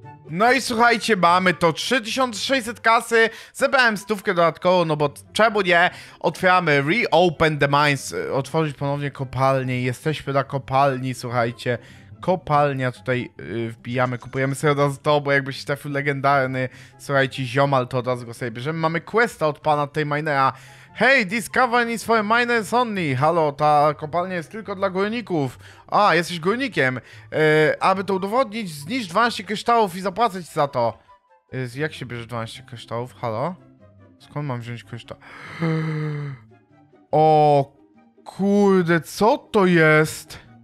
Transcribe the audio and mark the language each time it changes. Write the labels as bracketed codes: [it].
[pl] No i słuchajcie, mamy to 3600 kasy, zebrałem stówkę dodatkowo, no bo czemu nie, otwieramy [en] reopen the mines, [pl] otworzyć ponownie kopalnię, jesteśmy na kopalni, słuchajcie, kopalnia tutaj wbijamy, kupujemy sobie od razu to, bo jakbyś trafił legendarny, słuchajcie, ziomal, to od razu go sobie bierzemy, mamy questa od pana tej minera. [en] Hey, this cavern is for miners only. [pl] Halo, ta kopalnia jest tylko dla górników. A, jesteś górnikiem. Aby to udowodnić, zniszcz 12 kryształów i zapłacić za to. Jak się bierze 12 kryształów? Halo? Skąd mam wziąć kryształ? O, kurde, co to jest?